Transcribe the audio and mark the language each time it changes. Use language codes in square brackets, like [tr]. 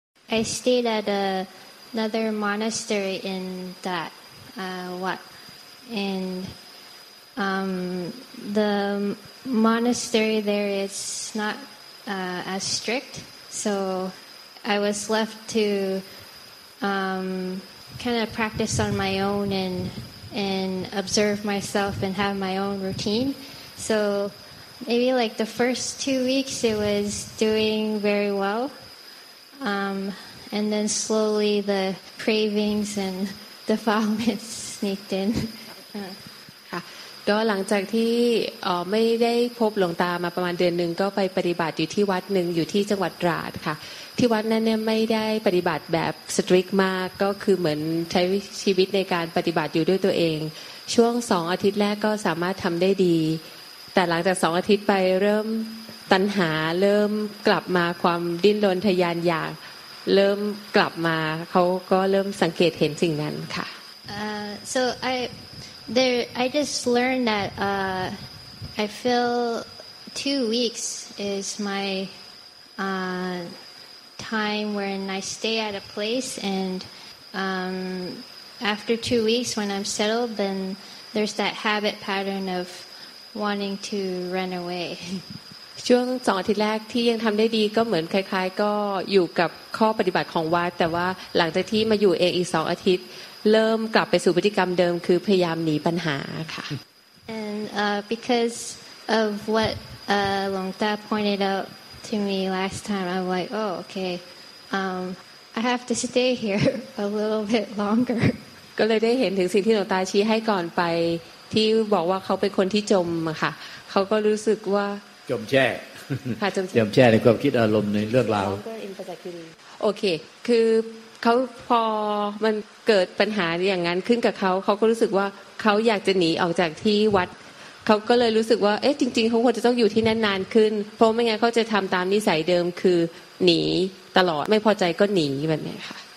[en] I stayed at another monastery in that what in the monastery there is not as strict, so I was left to kind of practice on my own and observe myself and have my own routine. So maybe like the first 2 weeks it was doing very well, and then slowly the cravings and defilements sneaked in. [th] ก็หลังจากที่ไม่ได้พบหลวงตามาประมาณเดือนนึงก็ไปปฏิบัติอยู่ที่วัดนึงอยู่ที่จังหวัดตราดค่ะที่วัดนั้นเนี่ยไม่ได้ปฏิบัติแบบสตริกมากก็คือเหมือนใช้ชีวิตในการปฏิบัติอยู่ด้วยตัวเองช่วง2อาทิตย์แรกก็สามารถทำได้ดีแต่หลังจาก2อาทิตย์ไปเริ่มตัณหาเริ่มกลับมาความดิ้นรนทยานอยากเริ่มกลับมาเขาก็เริ่มสังเกตเห็นสิ่งนั้นค่ะ [en] so I just learned that I feel 2 weeks is my time when I stay at a place, and after 2 weeks when I'm settled, then there's that habit pattern of wanting to run away. [th] ช่วง2อาทิตย์แรกที่ยังทำได้ดีก็เหมือนคล้ายๆก็อยู่กับข้อปฏิบัติของวัดแต่ว่าหลังจากที่มาอยู่เองอีก2อาทิตย์เริ่มกลับไปสู่พฤติกรรมเดิมคือพยายามหนีปัญหาค่ะ [en] and because of what Longta pointed out to me last time I'm like oh okay I have to stay here a little bit longer [th] ก็เลยได้เห็นถึงสิ่งที่หลวงตาชี้ให้ก่อนไปที่บอกว่าเขาเป็นคนที่จมค่ะเขาก็รู้สึกว่า จมแช่ จมแช่ในความคิดอารมณ์ในเรื่องราว โอเคคือเขาพอมันเกิดปัญหาอย่างนั้นขึ้นกับเขาเขาก็รู้สึกว่าเขาอยากจะหนีออกจากที่วัดเขาก็เลยรู้สึกว่าเอ๊ะจริงๆเขาควรจะต้องอยู่ที่นั่นนานขึ้นเพราะไม่งั้นเขาจะทำตามนิสัยเดิมคือหนีตลอดไม่พอใจก็หนีแบบนี้ค่ะ